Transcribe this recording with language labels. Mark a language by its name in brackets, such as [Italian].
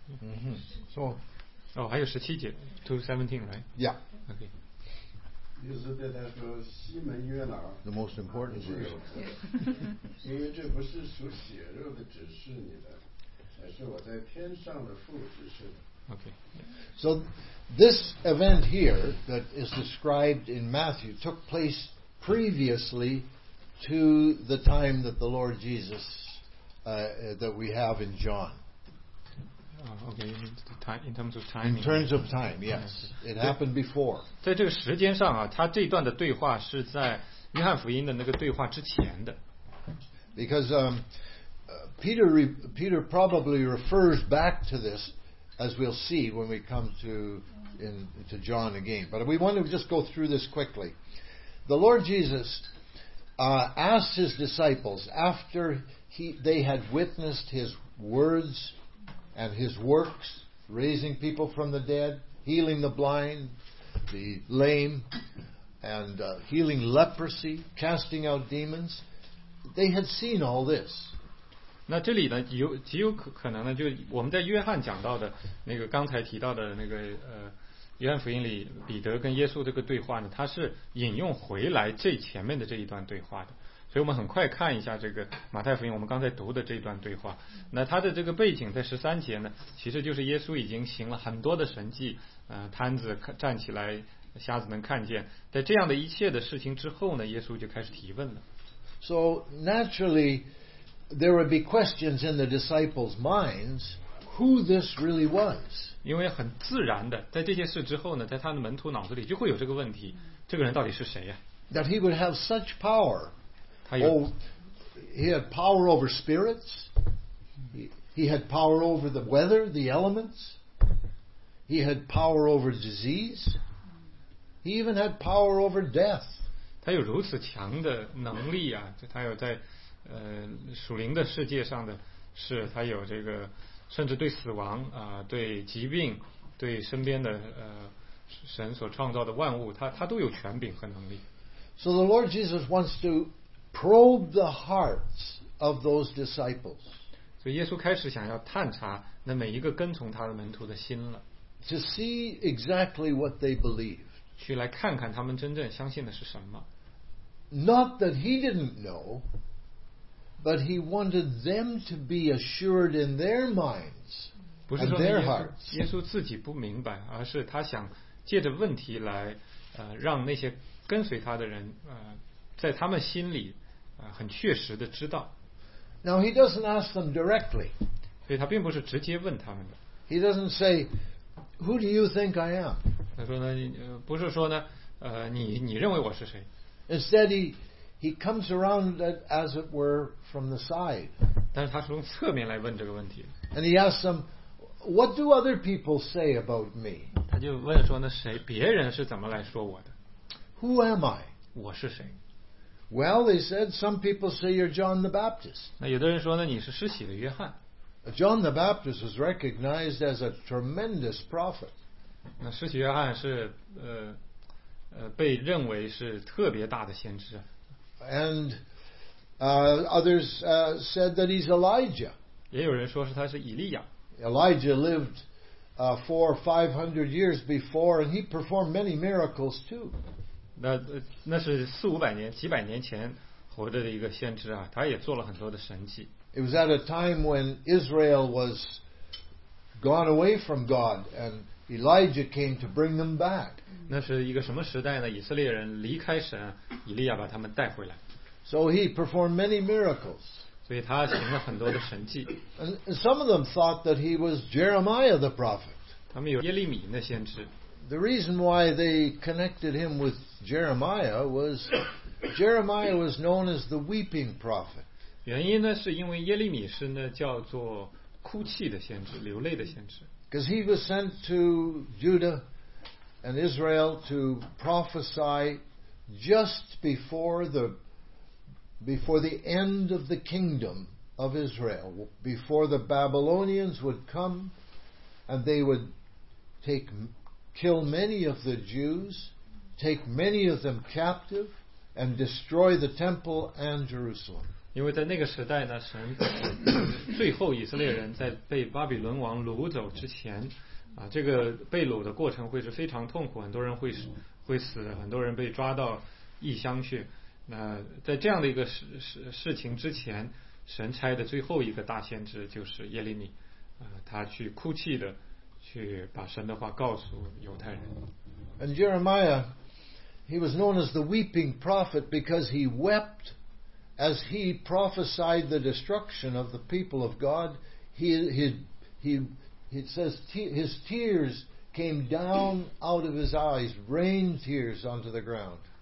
[English] Mm-hmm. So, oh, [Chinese] 还有十七节 [English] 2:17, right? Yeah. Okay. [Chinese] 意思对他说，西门约拿。 [English] The most important verse. [Chinese] 因为这不是属血肉的指示你的，而是我在天上的父指示的。 [English] Okay. So, this event here that is described in Matthew took place previously to the time that the Lord Jesus that we have in John. Okay, in terms of timing. In terms of time, yes. It happened before. [Chinese] 在这个时间上啊，他这段的对话是在约翰福音的那个对话之前的。 [English] Because Peter probably refers back to this, as we'll see when we come to John again. But we want to just go through this quickly. The Lord Jesus asked his disciples after they had witnessed his words and his works, raising people from the dead, healing the blind, the lame, and healing leprosy, casting out demons. They had seen all this. [Chinese] 那这里呢，极有可能呢，就我们在约翰讲到的那个刚才提到的那个约翰福音里彼得跟耶稣这个对话呢，他是引用回来这前面的这一段对话的。所以我们很快看一下这个马太福音我们刚才读的这一段对话。那他的这个背景在十三节呢，其实就是耶稣已经行了很多的神迹，瘫子站起来，瞎子能看见。在这样的一切的事情之后呢，耶稣就开始提问了。 [English] So naturally there would be questions in the disciples' minds who this really was. [Chinese] 因为很自然的在这些事之后呢，在他的门徒脑子里就会有这个问题，这个人到底是谁呀？ [English] that he would have such power. He had power over spirits. He had power over the weather, the elements. He had power over disease. He even had power over death. [Chinese] 他有如此强的能力啊，他有在属灵的世界上的是他有这个甚至对死亡啊、对疾病对身边的神所创造的万物他都有权柄和能力。 [English] So the Lord Jesus wants to probe the hearts of those disciples. [Chinese] 所以耶稣开始想要探查那每一个跟从他的门徒的心了。 [English] To see exactly what they believe. [Chinese] 去来看看他们真正相信的是什么。 [English] Not that he didn't know, but he wanted them to be assured in their minds and their hearts. [Chinese] 不是说耶稣自己不明白，而是他想借着问题来让那些跟随他的人在他们心里很确实的知道。 [English] Now he doesn't ask them directly. [Chinese] 所以他并不是直接问他们的。 [English] He doesn't say, "Who do you think I am?" [Chinese] 他说呢，不是说呢，你认为我是谁 [English] ？Instead, he comes around that, as it were from the side. [Chinese] 但是他是从侧面来问这个问题。 [English] And he asks them, "What do other people say about me?" [Chinese] 他就问说呢，谁别人是怎么来说我的 [English] ？Who am I? [Chinese] 我是谁 [English] ？Well, they said some people say you're John the Baptist. [Chinese] 那有的人说呢，你是施洗的约翰。 [English] John the Baptist was recognized as a tremendous prophet. [Chinese] 那施洗约翰是被认为是特别大的先知。 [English] And others said that he's Elijah. [Chinese] 也有人说是他是以利亚。 [English] Elijah lived for 500 years before, and he performed many miracles too. [Chinese] 那是四五百年、几百年前活着的一个先知啊，他也做了很多的神迹。 [English] It was at a time when Israel was gone away from God, and Elijah came to bring them back. [Chinese] 那是一个什么时代呢？以色列人离开神，以利亚把他们带回来。 [English] So he performed many miracles. [Chinese] 所以他行了很多的神迹。 [English] And some of them thought that he was Jeremiah the prophet. [Chinese] 他们有耶利米的先知。 [English] The reason why they connected him with Jeremiah was Jeremiah was known as the weeping prophet. [Chinese] 原因呢，是因为耶利米是呢叫做哭泣的先知，流泪的先知。 [English] Because he was sent to Judah and Israel to prophesy just before the end of the kingdom of Israel, before the Babylonians would come and they would kill many of the Jews, take many of them captive, and destroy the temple and Jerusalem. [Chinese] 因为在那个时代呢，神最后以色列人在被巴比伦王掳走之前，啊，这个被掳的过程会是非常痛苦，很多人会死，很多人被抓到异乡去。那在这样的一个事情之前，神差的最后一个大先知就是耶利米，他去哭泣的去把神的话告诉犹太人。 [English] And Jeremiah, he was known as the weeping prophet because he wept. As he prophesied the destruction of the people of God, his tears came down out of his eyes, rain tears onto the ground.